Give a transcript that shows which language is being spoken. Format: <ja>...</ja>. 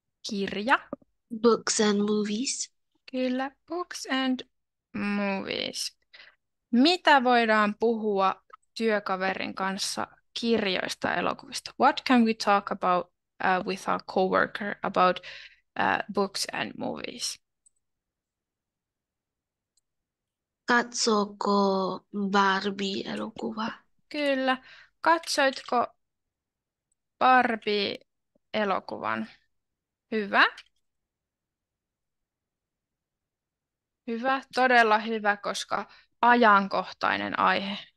<fi>Kirja.</fi> <en>Books and movies.</en> <fi>Kyllä,</fi> <en>books and movies.</en> <fi>Mitä voidaan puhua työkaverin kanssa kirjoista ja elokuvista?</fi> <en>What can we talk about with our coworker about books and movies?</en> <fi>Katsoko Barbie-elokuva? Kyllä. Katsoitko Barbie-elokuvan? Hyvä. Hyvä, todella hyvä, koska ajankohtainen aihe.</fi>